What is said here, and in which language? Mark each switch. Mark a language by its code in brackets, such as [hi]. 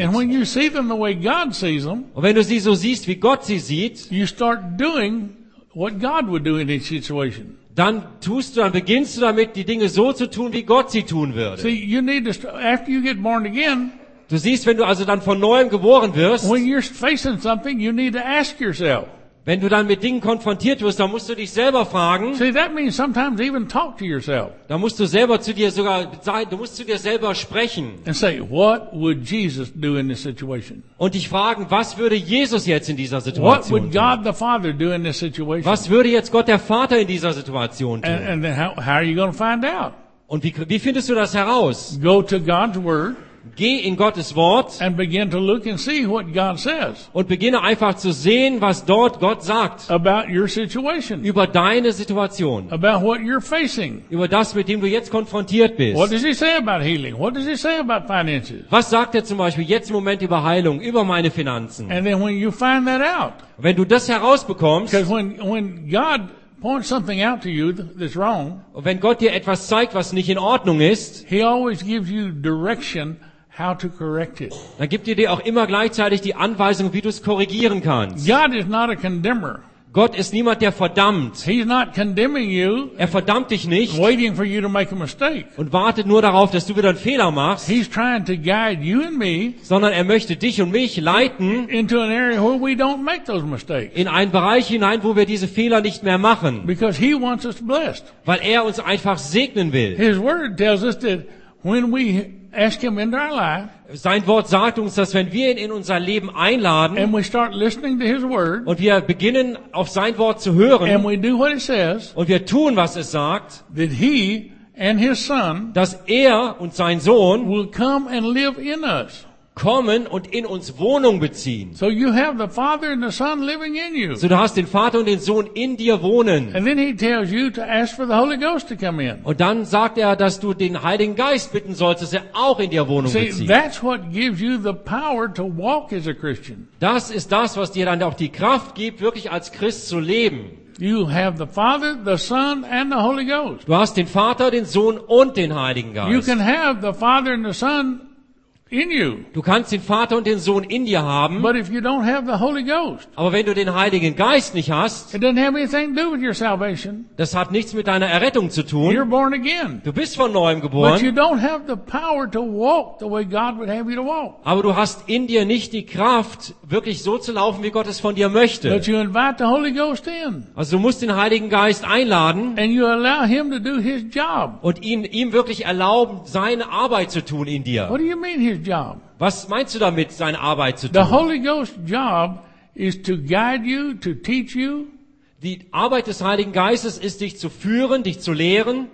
[en] And when you see them the way God sees them, [de] und wenn du sie so siehst, wie Gott sie sieht, [en] you start doing what God would do in each situation. [de] Dann beginnst du damit, die Dinge so zu tun, wie Gott sie tun würde. [en] See, you need to after you get born again. [de] Du siehst, wenn du also dann von neuem geboren wirst. [en] When you're facing something, you need to ask yourself. [de] Wenn du dann mit Dingen konfrontiert wirst, dann musst du dich selber fragen. [en] See, that means sometimes even talk to yourself. [de] Dann musst du selber zu dir sogar sagen, du musst zu dir selber sprechen. [en] And say, what would Jesus do in this situation? [de] Und dich fragen, was würde Jesus jetzt in dieser Situation tun? [en] What would God the Father do in this situation? [de] Was würde jetzt Gott der Vater in dieser Situation tun? [en] And then how are you going to find out? [de] Und wie findest du das heraus? [en] Go to God's Word. [de] Geh in Gottes Wort [en] and begin to look and see what God says. [de] Und beginne einfach zu sehen, was dort Gott sagt. [en] About your situation. [de] Über deine Situation. [en] About what you're facing. [de] Über das, mit dem du jetzt konfrontiert bist. [en] What does he say about healing? What does he say about finances? [de] Was sagt er zum Beispiel jetzt im Moment über Heilung, über meine Finanzen? [en] And then when you find that out. [de] Wenn du das herausbekommst. [en] Because when God point something out to you that's wrong. [de] Wenn Gott dir etwas zeigt, was nicht in Ordnung ist, [en] he always gives you direction how to correct it. [de] Dann gibt er dir auch immer gleichzeitig die Anweisung, wie du es korrigieren kannst. [en] God is not a condemner. [de] Gott ist niemand, der verdammt. [en] He's not condemning you. [de] Er verdammt dich nicht. [en] Waiting for you to make a mistake. [de] Und wartet nur darauf, dass du wieder einen Fehler machst. [en] He's trying to guide you and me. [de] Sondern er möchte dich und mich leiten. [en] Into an area where we don't make those mistakes. [de] In einen Bereich hinein, wo wir diese Fehler nicht mehr machen. [en] Because he wants us blessed. [de] Weil er uns einfach segnen will. [en] His word tells us that when we ask him into our life. [de] Sein Wort sagt uns, dass wenn wir ihn in unser Leben einladen [en] and we start listening to his word, [de] und wir beginnen, auf sein Wort zu hören [en] and we do what it says, [de] und wir tun, was es sagt, [en] that he and his son, [de] dass er und sein Sohn [en] will come and live in us. [de] Kommen und in uns Wohnung beziehen. [en] So you have the Father and the Son living in you. [de] So du hast den Vater und den Sohn in dir wohnen. [en] And then he tells you to ask for the Holy Ghost to come in. [de] Und dann sagt er, dass du den Heiligen Geist bitten sollst, dass er auch in dir Wohnung bezieht. [en] See, that's what gives you the power to walk as a Christian. [de] Das ist das, was dir dann auch die Kraft gibt, wirklich als Christ zu leben. [en] You have the Father, the Son, and the Holy Ghost. [de] Du hast den Vater, den Sohn und den Heiligen Geist. [en] You can have the Father and the Son in you. [de] Du kannst den Vater und den Sohn in dir haben. [en] But if you don't have the Holy Ghost, [de] aber wenn du den Heiligen Geist nicht hast, [en] it doesn't have anything to do with your salvation. [de] Das hat nichts mit deiner Errettung zu tun. [en] You're born again. [de] Du bist von neuem geboren. [en] But you don't have the power to walk the way God would have you to walk. [de] Aber du hast in dir nicht die Kraft, wirklich so zu laufen, wie Gott es von dir möchte. [en] But you invite the Holy Ghost in. [de] Also du musst den Heiligen Geist einladen. [en] And you allow him to do his job. [de] Und ihm wirklich erlauben, seine Arbeit zu tun in dir. [en] What do you mean his job? [de] Was meinst du damit, seine Arbeit zu tun? [en] The Holy Ghost's job is to guide you, to teach you. [de] Die Arbeit des Heiligen Geistes ist, dich zu führen, dich zu lehren.